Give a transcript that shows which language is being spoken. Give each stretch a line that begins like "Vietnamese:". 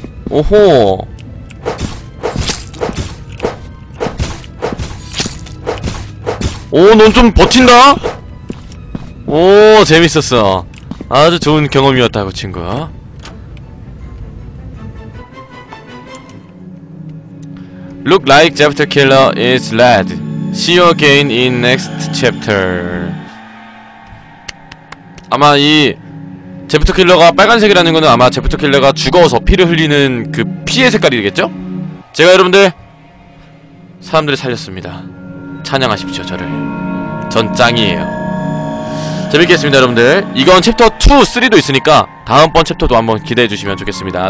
Korean: 오호. 오, 넌 좀 버틴다? 오, 재밌었어. 아주 좋은 경험이었다고, 친구.
English: 'Look like Jupiter Killer is red. See you again in next chapter.'
Korean: 아마 이 제프터 킬러가 빨간색이라는 거는 아마 제프터 킬러가 죽어서 피를 흘리는 그 피의 색깔이겠죠? 제가 여러분들 사람들을 살렸습니다. 찬양하십시오, 저를. 전 짱이에요. 재밌겠습니다, 여러분들. 이건 챕터 2, 3도 있으니까 다음번 챕터도 한번 기대해 주시면 좋겠습니다.